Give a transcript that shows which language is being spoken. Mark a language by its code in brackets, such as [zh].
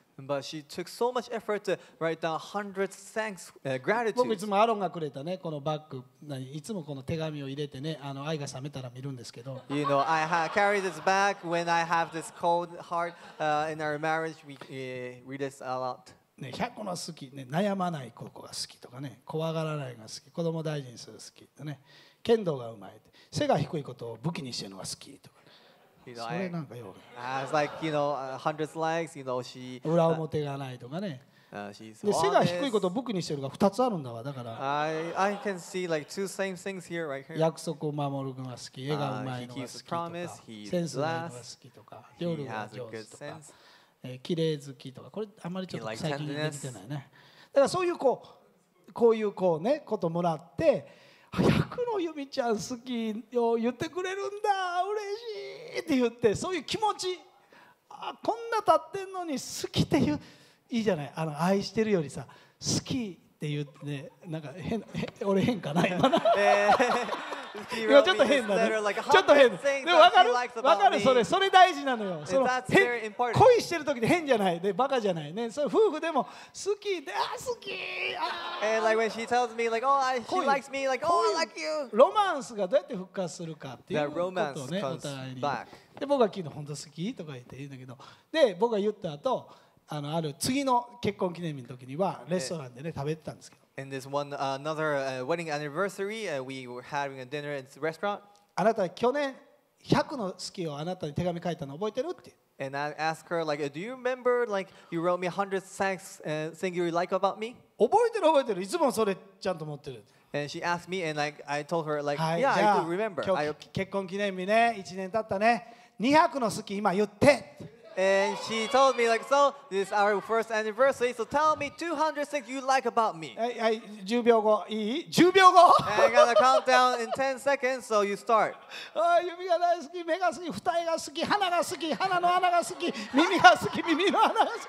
[en] But she took so much effort to write down hundreds of thanks, gratitude. [ja] 僕いつもアロンがくれたね、このバッグ、いつもこの手紙を入れてね、愛が冷めたら見るんですけど。 [en] You know, I carry this bag when I have this cold heart. In our marriage, we read this a lot. [ja] ね、100の好き、ね、悩まない子が好きとかね、怖がらないが好き、子供大事にする好きとね、剣道がうまい、背が低いことを武器にしてるのが好きとか、 [en] you know, [ja] それなんかよく。 [en] As like, you know, hundreds likes, you know, she, [ja] 裏表がないとかね、で背が低いことを武器にしてるが2つあるんだわ、だから、 [en] I can see like two same things here, right here. [ja] 約束を守るのが好き、絵がうまいのが好きとか、 [en] promise, [ja] センスがいいのが好きとか、料理が上手とか。綺麗好きとかこれあんまりちょっと最近見てないね。だからそういうこうこういうこうねこともらって百のユミちゃん好きを言ってくれるんだ嬉しいって言ってそういう気持ちあこんな立ってんのに好きっていういいじゃない愛してるよりさ好きって言ってねなんか変俺変かな今な。いやちょっと変だね。ちょっと変だ。でも分かるそれ。それ大事なのよ。その恋してる時で変じゃない。でバカじゃないね。それ夫婦でも好きで好き。 [en] And like when she tells me like oh I, she likes me like oh I like you。 [ja] ロマンスがどうやって復活するかっていうことをねお互いに。で僕は聞くの本当好きとか言って言うんだけど、で僕が言った後ある次の結婚記念日の時にはレストランでね食べてたんですけど。 [en] In this one, another wedding anniversary, we were having a dinner in the restaurant. [ja] あなた去年100の好きをあなたに手紙書いたの覚えてるって。 [en] And I asked her, like, do you remember, like, you wrote me 100 thanks thing you like about me? [ja] 覚えてる。いつもそれちゃんと持ってる。 [en] And she asked me, and like, I told her, like, yeah, I do remember. [ja] 今日結婚記念日ね、1年経ったね。 200の好き今言って。 [en] And she told me like, so this is our first anniversary. So tell me 200 things you like about me. [ja] Hey, 10 秒後いい10秒後 [en] And I'm gonna count down in 10 seconds. So you start. [ja] Oh, 指が大好き、目が好き、二重が好き、鼻が好き、鼻の穴が好き、耳が好き、耳の穴が好き。